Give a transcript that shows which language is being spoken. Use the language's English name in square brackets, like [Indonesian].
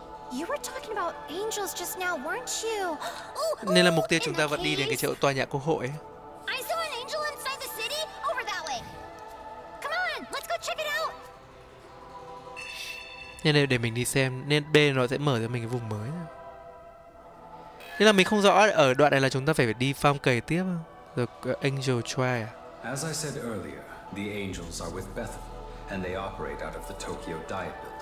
[English] You were talking about angels just now, weren't you? [Vietnamese] Nên là mục tiêu chúng ta vẫn đi đến cái chỗ tòa nhà quốc hội. [English] I saw an angel inside the city over that way. Come on, let's go check it out. [Vietnamese] Nên là để mình đi xem, nên B nó sẽ mở cho mình cái vùng mới. Thế là mình không rõ ở đoạn này là chúng ta phải đi farm cày tiếp rồi angel trail à? [English] As I said earlier, the angels are with Bethel and they operate out of the Tokyo Diet.